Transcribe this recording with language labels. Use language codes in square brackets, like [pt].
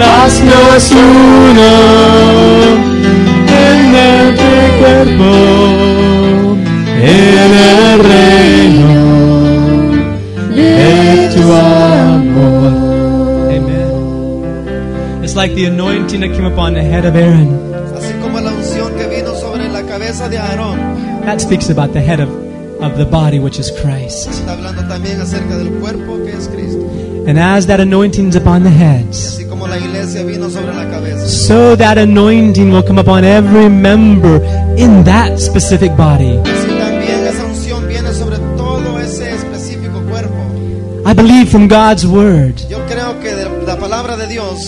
[es] Haznos uno en el cuerpo, en el reino de tu amor. Amen. [en] It's like the anointing that came upon the head of Aaron. [es] Así como la unción que vino sobre la cabeza de Aarón. [en] That speaks about the head of the body, which is Christ. [es] Está hablando también acerca del cuerpo, que es Cristo. [en] And as that anointing is upon the heads, [es] así como la iglesia vino sobre la cabeza, [en] so that anointing will come upon every member in that specific body. [es] Así también esa unción viene sobre todo ese específico cuerpo. [en] I believe from God's word, [es] yo creo que de la palabra de Dios,